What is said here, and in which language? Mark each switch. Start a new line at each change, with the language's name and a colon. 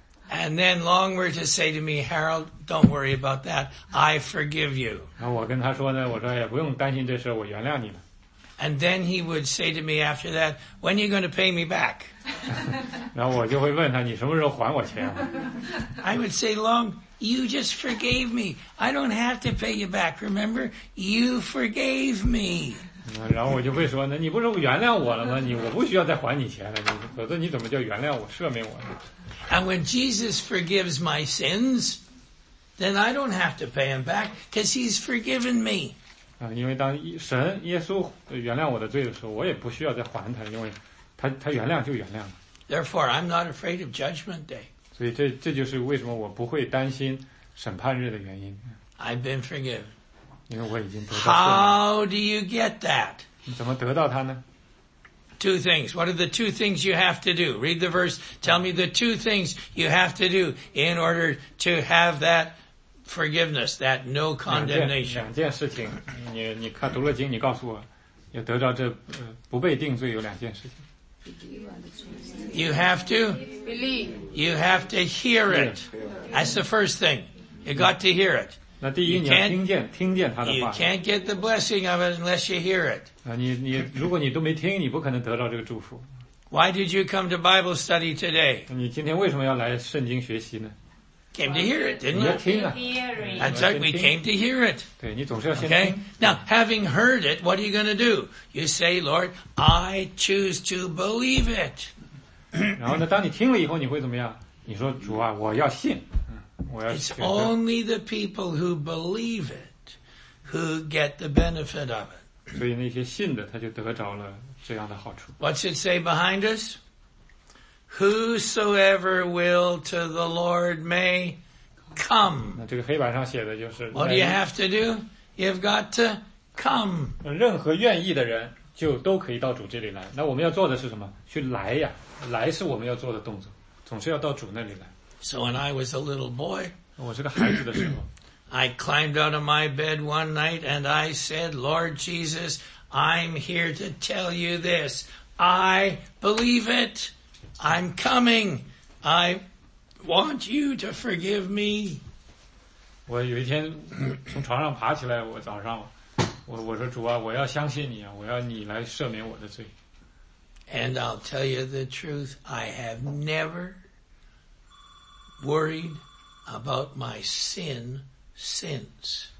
English: And then Long were to say to me, Harold, don't worry about that. I forgive you.
Chinese: 然后我跟他说呢，我说也不用担心这事，我原谅你了。
English: And then he would say to me after that, when are you going to pay me back?
Chinese: 然后我就会问他，你什么时候还我钱啊？
English: I would say, Long, you just forgave me. I don't have to pay you back. Remember, you forgave me.
Chinese: 然后我就会说呢，你不是原谅我了吗？我不需要再还你钱了，否则你怎么叫原谅我、赦免我呢？
English: And when Jesus forgives my sins, then I don't have to pay him back because he's forgiven me.
Chinese: 因为当神耶稣原谅我的罪的时候，我也不需要再还他，因为他原谅就原谅了。
English: Therefore, I'm not afraid of Judgment Day.
Chinese: 所以这就是为什么我不会担心审判日的原因。
English: I've been forgiven.
Chinese: 因为我已经得到
English: 赦免。How do you get that?
Chinese: 你怎么得到他呢？
English: Two things. What are the two things you have to do? Read the verse. Tell me the two things you have to do in order to have that forgiveness, that no condemnation.
Chinese: 两件事情，你看读了经，你告诉我，要得到这不被定罪有两件事情。
English: You have to believe. You have to hear it. That's the first thing. You got to hear it.
Chinese: 那第一，你要听见他的话。
English: You can't get the blessing of it unless you hear it.
Chinese: 你如果你都没听，你不可能得到这个祝福。
English: Why did you come to Bible study today?
Chinese: 你今天为什么要来圣经学习呢？
English: Came to hear it, didn't you?
Chinese: 你要听啊。
English: That's right, we came to hear it.
Chinese: 对，你总是要先听。
English: Okay? Now, having heard it, what are you going to do? You say, Lord, I choose to believe it.
Chinese: 然后呢，当你听了以后，你会怎么样？你说，主啊，我要信。
English: It's only the people who believe it who get the benefit of it.
Chinese: 所以那些信的他就得着了这样的好处。
English: What's it say behind us? Whosoever will to the Lord may come.
Chinese: 那这个黑板上写的就是。
English: What do you have to do? You've got to come.
Chinese: 任何愿意的人就都可以到主这里来。那我们要做的是什么？去来呀，来是我们要做的动作，总是要到主那里来。
English: So when I was a little boy,
Chinese: 我是个孩子的时候
English: I climbed out of my bed one night and I said, Lord Jesus, I'm here to tell you this. I believe it. I'm coming. I want you to forgive me.
Chinese: 我有一天从床上爬起来，我早上我说主啊，我要相信你啊，我要你来赦免我的罪。
English: And I'll tell you the truth, I have never worried about my sin since.